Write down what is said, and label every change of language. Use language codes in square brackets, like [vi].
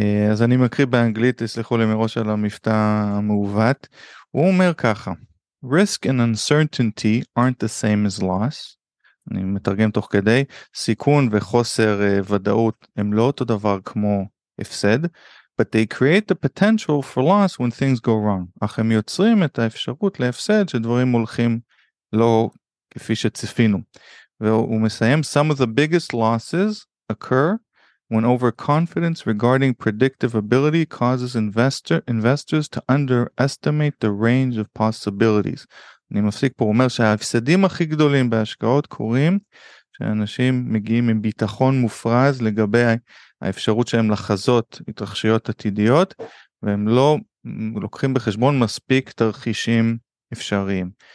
[he] אז אני מקריא באנגלית, תסלחו לי מראש על המבטא המעוות, הוא אומר ככה, [en] Risk and uncertainty aren't the same as loss, [he] אני מתרגם תוך כדי, סיכון וחוסר ודאות הם לא אותו דבר כמו הפסד, [en] but they create the potential for loss when things go wrong, [he] אך הם יוצרים את האפשרות להפסד שדברים הולכים לא כפי שצפינו. [en] והוא מסיים, some of the biggest losses occur when overconfidence regarding predictive ability causes investors to underestimate the range of possibilities. [he] אני מפסיק פה, הוא אומר שההפסדים הכי גדולים בהשקעות קורים, שאנשים מגיעים עם ביטחון מופרז לגבי האפשרות שהם לחזות התרחשויות עתידיות, והם לא לוקחים בחשבון מספיק תרחישים אפשריים.